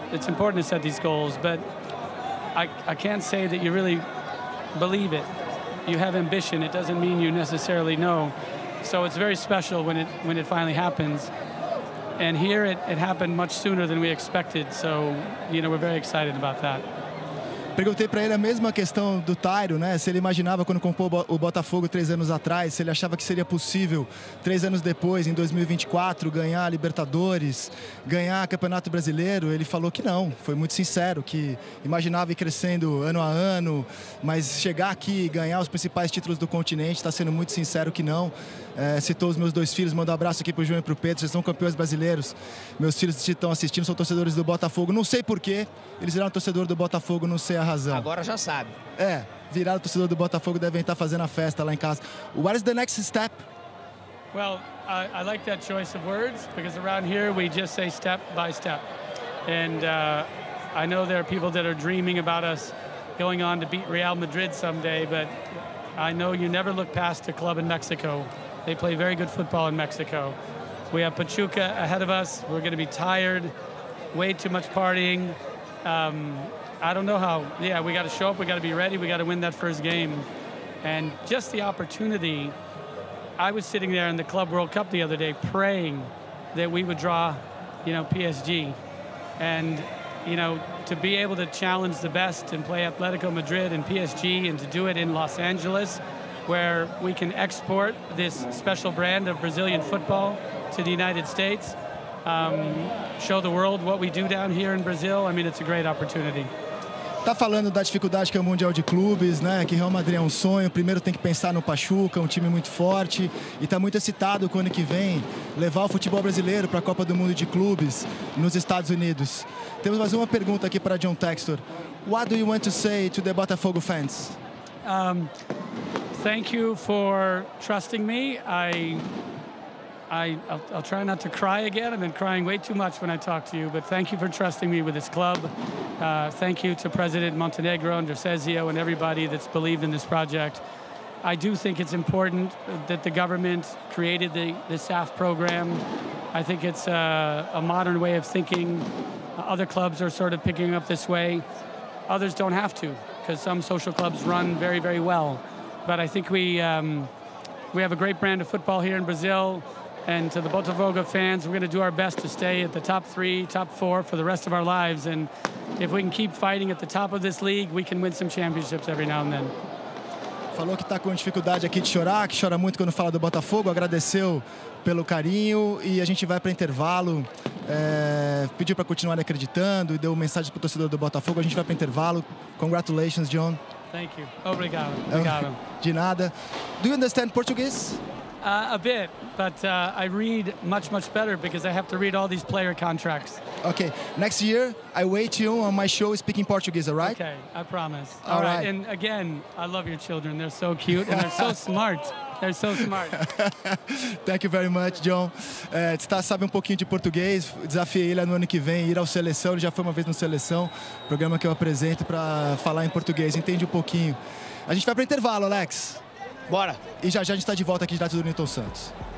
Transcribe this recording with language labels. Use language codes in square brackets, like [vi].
[en] It's important to set these goals, but I can't say that you really believe it. You have ambition. It doesn't mean you necessarily know. So it's very special when it finally happens. And here it happened much sooner than we expected. So, you know, we're very excited about that. [pt] Perguntei para ele a mesma questão do Tyro, né? Se ele imaginava quando comprou o Botafogo 3 anos atrás, se ele achava que seria possível 3 anos depois, em 2024, ganhar a Libertadores, ganhar o Campeonato Brasileiro. Ele falou que não, foi muito sincero, que imaginava ir crescendo ano a ano, mas chegar aqui e ganhar os principais títulos do continente, está sendo muito sincero que não. Citou os meus dois filhos, mandou um abraço aqui para o João e para o Pedro, vocês são campeões brasileiros. Meus filhos estão assistindo, são torcedores do Botafogo. Não sei porquê, eles viraram torcedor do Botafogo, não sei a razão. Agora já sabe. É, viraram torcedor do Botafogo, devem estar fazendo a festa lá em casa. [en] What is the next step? Well, I like that choice of words, because around here we just say step by step. And I know there are people that are dreaming about us going on to beat Real Madrid someday, but I know you never look past a club in Mexico. They play very good football in Mexico. We have Pachuca ahead of us. We're going to be tired. Way too much partying. I don't know how. Yeah, we got to show up. We got to be ready. We got to win that first game. And just the opportunity. I was sitting there in the Club World Cup the other day praying that we would draw, you know, PSG. And, you know, to be able to challenge the best and play Atletico Madrid and PSG and to do it in Los Angeles, where we can export this special brand of Brazilian football to the United States, show the world what we do down here in Brazil. I mean, it's a great opportunity. [pt] Tá falando da dificuldade que é o Mundial de Clubes, né? Que Real Madrid é um sonho. Primeiro tem que pensar no Pachuca, um time muito forte. E tá muito excitado com o ano que vem levar o futebol brasileiro para a Copa do Mundo de Clubes nos Estados Unidos. Temos mais uma pergunta aqui para John Textor. [en] What do you want to say to the Botafogo fans? Thank you for trusting me. I'll try not to cry again. I've been crying way too much when I talk to you, but thank you for trusting me with this club. Thank you to President Montenegro and Dersesio and everybody that's believed in this project. I do think it's important that the government created the SAF program. I think it's a modern way of thinking. Other clubs are sort of picking up this way. Others don't have to, because some social clubs run very, very well. But I think we have a great brand of football here in Brazil. And to the Botafogo fans, we're going to do our best to stay at the top 3, top 4 for the rest of our lives. And if we can keep fighting at the top of this league, we can win some championships every now and then. [pt] Falou que está com dificuldade aqui de chorar, que chora muito quando fala do Botafogo. Agradeceu pelo carinho e a gente vai para intervalo. Pediu para continuar acreditando e deu mensagem para o torcedor do Botafogo. A gente vai para intervalo. [en] Congratulations, John. Thank you. [pt] Obrigado. De nada. [en] Do you understand Portuguese? A bit, but I read much, much better because I have to read all these player contracts. Okay. Next year, I wait you on my show speaking Portuguese, all right? Okay, I promise. All right. And again, I love your children. They're so cute and they're so smart. They're so smart. Thank you very much, John. [pt] Você sabe um pouquinho de português. Desafiei ele no ano que vem ir ao Seleção. Ele já foi uma vez no Seleção, programa que eu apresento para falar em português. Entende um pouquinho. A gente vai para o intervalo, Alex. Bora. E já a gente está de volta aqui direto do Nilton Santos.